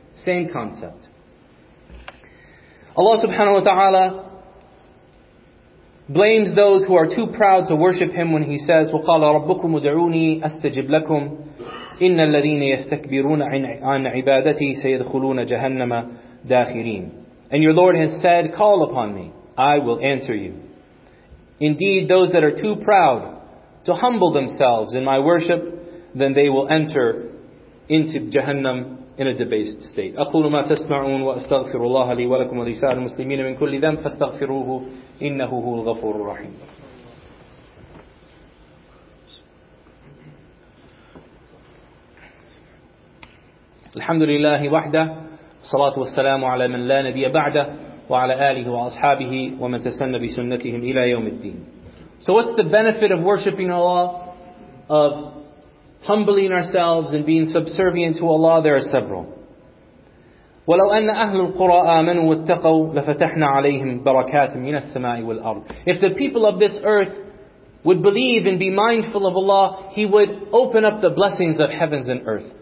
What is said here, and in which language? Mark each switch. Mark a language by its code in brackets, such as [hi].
[en] Same concept. Allah subhanahu wa ta'ala blames those who are too proud to worship Him when He says, [ar] وَقَالَ رَبُّكُمُ دَعُونِي أَسْتَجِبْ لَكُمْ إِنَّ الَّذِينَ يَسْتَكْبِرُونَ عَنْ عِبَادَتِي سَيَدْخُلُونَ جَهَنَّمَ دَاخِرِينَ. [en] And your Lord has said, call upon Me, I will answer you. Indeed, those that are too proud to humble themselves in My worship, then they will enter into Jahannam in a debased state. [ar] أقول ما تسمعون وأستغفر الله لي ولكم ولسائر المسلمين من كل ذنب فاستغفروه إنه هو الغفور الرحيم. الحمد لله وحده الصلاة والسلام على من لا نبي بعده وعلى آله وأصحابه ومن تسن بسنتهم إلى يوم الدين. [en] So what's the benefit of worshiping Allah, of humbling ourselves and being subservient to Allah? There are several. [ar] وَلَوْ أَنَّ أَهْلُ الْقُرَىٰ آمَنُوا وَاتَّقَوْا لَفَتَحْنَا عَلَيْهِمْ بَرَكَاتٍ مِنَ السَّمَاءِ وَالْأَرْضِ. [en] If the people of this earth would believe and be mindful of Allah, He would open up the blessings of heavens and earth.